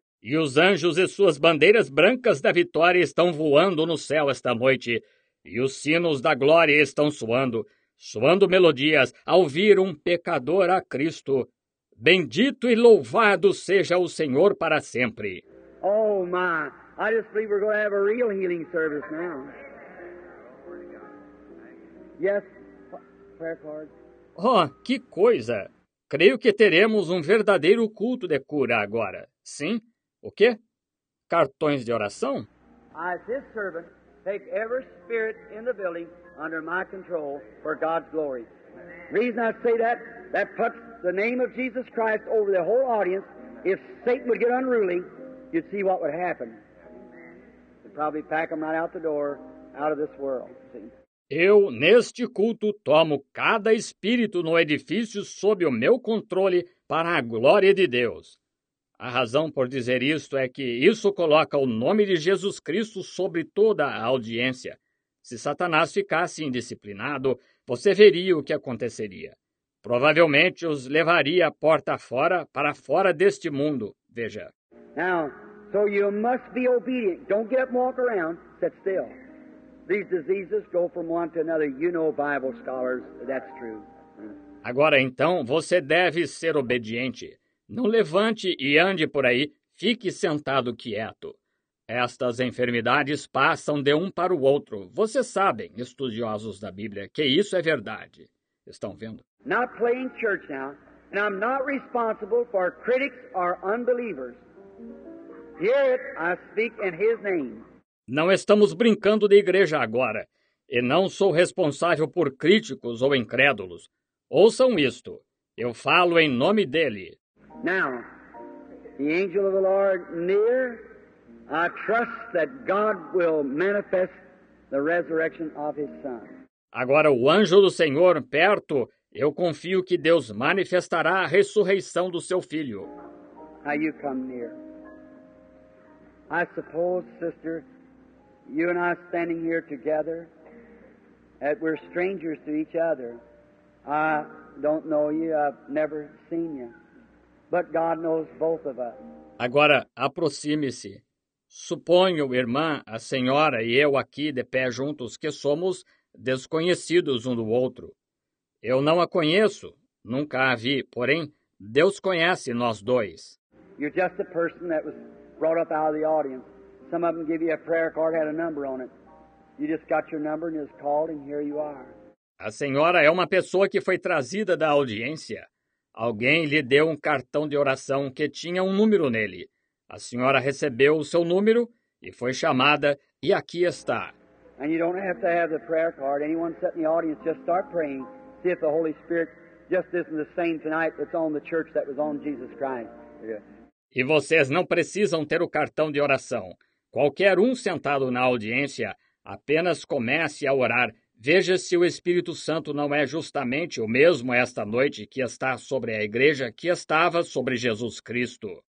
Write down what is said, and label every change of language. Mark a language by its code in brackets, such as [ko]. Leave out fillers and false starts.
[pt] E os anjos e suas bandeiras brancas da vitória estão voando no céu esta noite, e os sinos da glória estão soando. Soando melodias ao vir um pecador a Cristo. Bendito e louvado seja o Senhor para sempre. [en] Oh my, I just believe we're going to have a real healing service now. Yes, prayer card. [pt] Oh, que coisa! Creio que teremos um verdadeiro culto de cura agora. Sim? O quê? Cartões de oração? [en] As his servant, take every spirit in the building under my control for God's glory. Reason I say that, that puts the name of Jesus Christ over the whole audience. If Satan would get unruly, you'd see what would happen. They'd probably pack them right out the door, out of this world. See? [pt] Eu, neste culto, tomo cada espírito no edifício sob o meu controle para a glória de Deus. A razão por dizer isto é que isso coloca o nome de Jesus Cristo sobre toda a audiência. Se Satanás ficasse indisciplinado, você veria o que aconteceria. Provavelmente os levaria porta fora, para fora deste mundo. Veja. [en] Now, so you must be obedient. Don't get up and walk around. Sit still. These diseases go from one to another. You know, Bible scholars, that's true. [pt] Agora então, você deve ser obediente. Não levante e ande por aí. Fique sentado quieto. Estas enfermidades passam de um para o outro. Vocês sabem, estudiosos da Bíblia, que isso é verdade. Estão vendo? [en] Not playing church now, and I'm not responsible for critics or unbelievers. Hear it, I speak in his name. [pt] Não estamos brincando de igreja agora, e não sou responsável por críticos ou incrédulos. Ouçam isto. Eu falo em nome dele. [en] Now, the angel of the Lord near. I trust that God will manifest the resurrection of his son. [pt] Agora o anjo do Senhor perto, eu confio que Deus manifestará a ressurreição do seu filho. [en] Now you come near. I suppose, sister, you and I standing here together, that we're strangers to each other. I don't know you, I've never seen you. But God knows both of us. [pt] Agora aproxime-se. Suponho, irmã, a senhora e eu aqui de pé juntos que somos desconhecidos um do outro. Eu não a conheço, nunca a vi, porém, Deus conhece nós dois. [en] You're just a person that was brought up out of the audience. Some of them give you a prayer card, had a number on it. You just got your number and just called and here you are. [pt] A senhora é uma pessoa que foi trazida da audiência. Alguém lhe deu um cartão de oração que tinha um número nele. A senhora recebeu o seu número e foi chamada, e aqui está. [en] And you don't have to have the prayer card. Anyone sitting in the audience, just start praying. See if the Holy Spirit just isn't the same tonight that's on the church that was on Jesus Christ. [pt] E vocês não precisam ter o cartão de oração. Qualquer um sentado na audiência, apenas comece a orar. Veja se o Espírito Santo não é justamente o mesmo esta noite que está sobre a igreja que estava sobre Jesus Cristo.